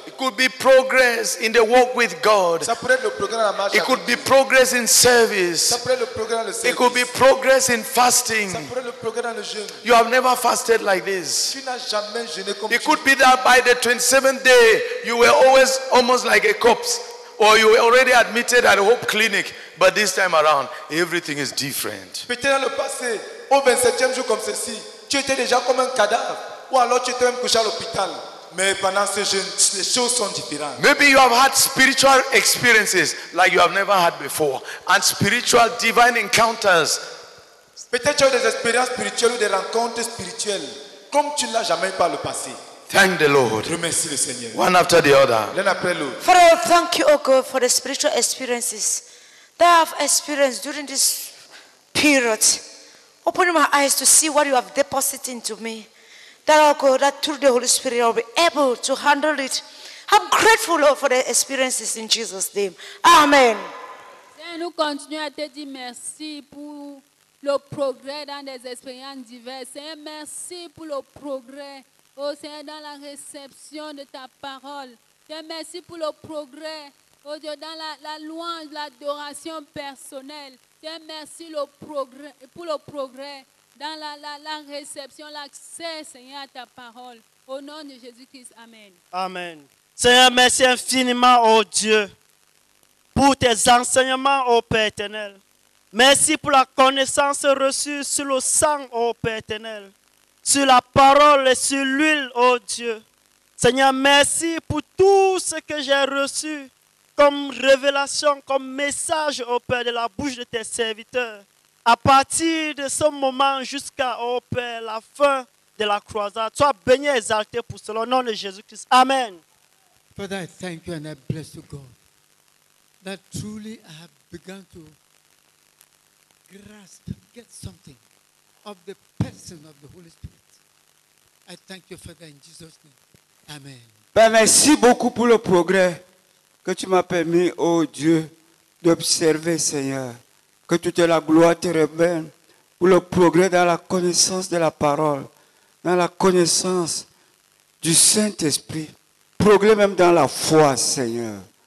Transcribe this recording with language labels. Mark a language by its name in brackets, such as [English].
[English] It could be progress in the walk with God. [French] Ça pourrait être le progrès dans la marche. [English] It could be progress in service. [French] Ça pourrait être le progrès dans le service. [English] It could be progress in fasting. [French] Ça pourrait être le progrès dans le jeûne. [English] You have never fasted like this. [French] Tu n'as jamais jeûné comme ça. [English] It could be that by the 27th day, you were always almost like a corpse. Or you were already admitted at Hope Clinic, but this time around, everything is different. [French] Peut-être dans le passé, au 27e jour comme ceci, tu étais déjà comme un cadavre, ou alors tu étais même couché à l'hôpital. Mais pendant ce jeûne, les choses sont différentes. [English] Maybe you have had spiritual experiences like you have never had before, and spiritual divine encounters [French] Peut-être tu as des expériences spirituelles ou des rencontres spirituelles comme tu ne l'as jamais eu par le passé. [English] Thank the Lord. [French] Remercie le Seigneur. [English] One after the other. [French] L'un après l'autre. [English] Father, thank you, O God, for the spiritual experiences that I have experienced during this period. Open my eyes to see what you have deposited into me. That, O God, that through the Holy Spirit, I'll be able to handle it. I'm grateful, Lord, for the experiences in Jesus' name. Amen. [French] Seigneur, nous continuons à te dire merci pour le progrès dans des expériences diverses. Seigneur, merci pour le progrès, oh Seigneur, dans la réception de ta parole. Seigneur, merci pour le progrès, oh Dieu, dans la louange, l'adoration personnelle. Seigneur, merci pour le progrès dans la réception, l'accès, Seigneur, à ta parole. Au nom de Jésus-Christ, amen. Amen. Seigneur, merci infiniment, oh Dieu, pour tes enseignements, oh Père éternel. Merci pour la connaissance reçue sur le sang, ô Père éternel, sur la parole et sur l'huile, ô Dieu. Seigneur, merci pour tout ce que j'ai reçu comme révélation, comme message, ô Père, de la bouche de tes serviteurs, à partir de ce moment jusqu'à, ô Père, la fin de la croisade. Sois béni et exalté pour cela, au nom de Jésus-Christ. Amen. [English] Father, I thank you and I bless you, God, that truly I have begun to grasp, get something of the person of the Holy Spirit. I thank you, Father, in Jesus' name. Amen. [French] Ben, merci beaucoup pour le progrès que tu m'as permis, oh Dieu, d'observer, Seigneur. Que toute la gloire te revienne pour le progrès dans la connaissance de la parole, dans la connaissance du Saint-Esprit, progrès même dans la foi, Seigneur.